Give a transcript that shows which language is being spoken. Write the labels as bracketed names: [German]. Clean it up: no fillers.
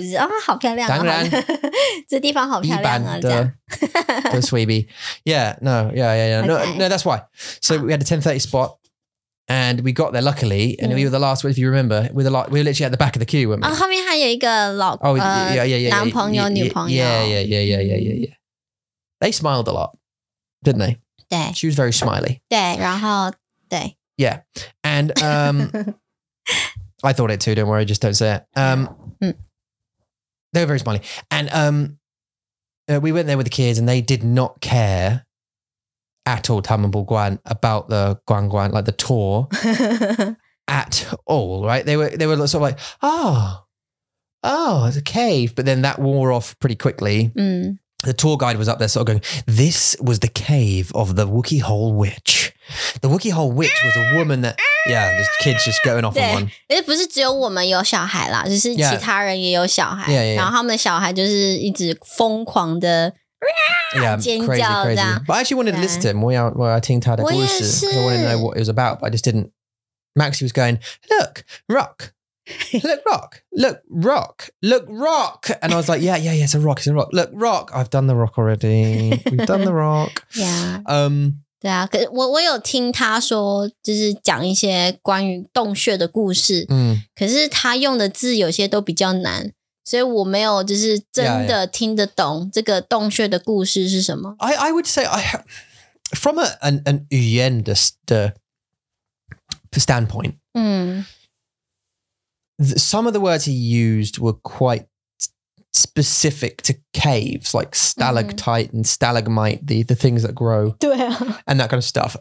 [Chinese] 就是啊，好漂亮，这地方好漂亮啊，这样。The [English] sweetie, yeah. No, that's why. So we had a 10:30 spot, and we got there luckily, and we were the last. If you remember, we were literally at the back of the queue, weren't we? [Chinese] 后面还有一个老男朋友女朋友 [English] yeah. They smiled a lot, didn't they? She was very smiley. [Chinese] 对,然后,对. [English] Yeah. And I thought it too, don't worry, just don't say it. They were very smiley. And we went there with the kids and they did not care at all, [Chinese] 他们不管, [English] about the guanguan, like the tour at all, right? They were sort of like, oh, it's a cave. But then that wore off pretty quickly. The tour guide was up there sort of going, this was the cave of the Wookiee Hole Witch. The Wookiee Hole Witch was a woman that, yeah, this kid's just going off on one. [Chinese] 不是只有我们有小孩啦,就是其他人也有小孩. Yeah. 然后他们的小孩就是一直疯狂的尖叫这样. [English] Crazy. But I actually wanted to listen to him. [Chinese] 我要听他的故事. 我也是. [English] I wanted to know what it was about, but I just didn't. Maxie was going, look, rock. And I was like, yeah, it's a rock. Look, rock. I've done the rock already. We've done the rock. Yeah. [Chinese] 我有听他说就是讲一些关于洞穴的故事, 可是他用的字有些都比较难, 所以我没有就是真的听得懂这个洞穴的故事是什么。 [English] I would say, from an [Chinese] 语言 的 [English] standpoint, some of the words he used were quite specific to caves, like stalactite and stalagmite, the things that grow, and that kind of stuff.